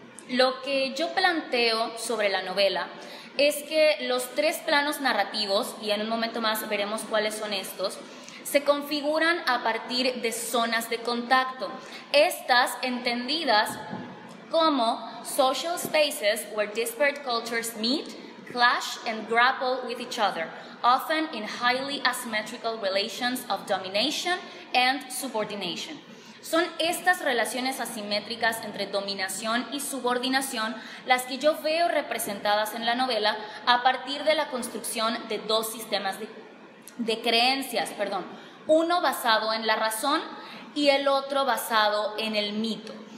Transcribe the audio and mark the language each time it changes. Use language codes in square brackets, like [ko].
[es] Lo que yo planteo sobre la novela es que los tres planos narrativos, y en un momento más veremos cuáles son estos, se configuran a partir de zonas de contacto. Estas entendidas como [en] social spaces where disparate cultures meet, clash, and grapple with each other, often in highly asymmetrical relations of domination and subordination. [es] Son estas relaciones asimétricas entre dominación y subordinación las que yo veo representadas en la novela a partir de la construcción de dos sistemas de creencias, perdón, uno basado en la razón y el otro basado en el mito.